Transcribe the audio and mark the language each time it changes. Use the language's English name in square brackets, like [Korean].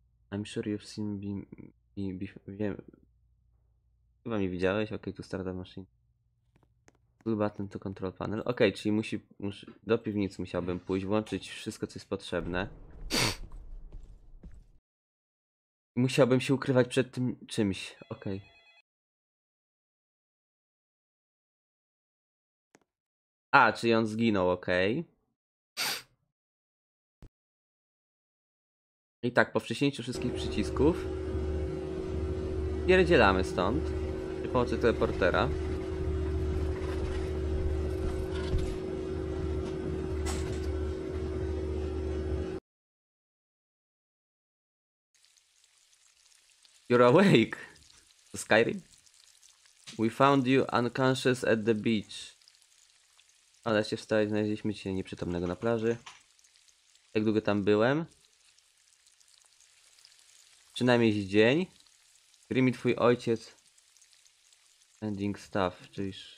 [English] I'm sure you've seen me before. [Polish] Wiem. Chyba mnie widziałeś, okej, tu [English] start the machine. Blue button to control panel. [Polish] Okej, czyli musi do piwnicy musiałbym pójść, włączyć wszystko, co jest potrzebne. Musiałbym się ukrywać przed tym czymś. Okej. A, czyli on zginął, okej. I tak, po wciśnięciu wszystkich przycisków pierdzielamy stąd przy pomocy teleportera. [English] You're awake! Skyrim? We found you unconscious at the beach. [Polish] Ale się wstaje, znaleźliśmy cię nieprzytomnego na plaży. Jak długo tam byłem? Przynajmniej dzień. Grim i twój ojciec. [English] Ending stuff, [Polish] czyli.